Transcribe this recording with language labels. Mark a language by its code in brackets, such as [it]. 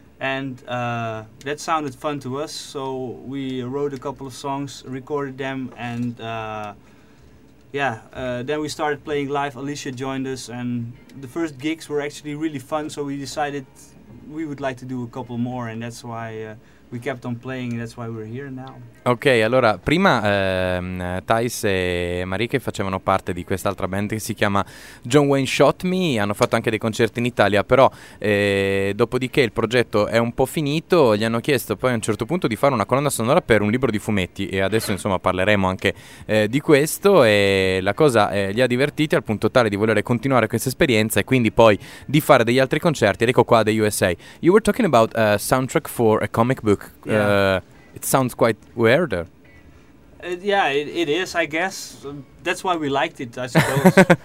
[en] And that sounded fun to us, so we wrote a couple of songs, recorded them, and then we started playing live. Alicia joined us, and the first gigs were actually really fun, so we decided we would like to do a couple more, and that's why we kept on playing, and that's why we're here now. [it] Ok, allora, prima Thijs e Marike facevano parte di quest'altra band che si chiama John Wayne Shot Me, hanno fatto anche dei concerti in Italia, però dopodiché il progetto è un po' finito, gli hanno chiesto poi a un certo punto di fare una colonna sonora per un libro di fumetti, e adesso insomma parleremo anche di questo, e la cosa li ha divertiti al punto tale di volere continuare questa esperienza e quindi poi di fare degli altri concerti. Ed ecco qua The USA. [en] You were talking about a soundtrack for a comic book. Yeah. It sounds quite weird. It is, I guess. That's why we liked it, I suppose.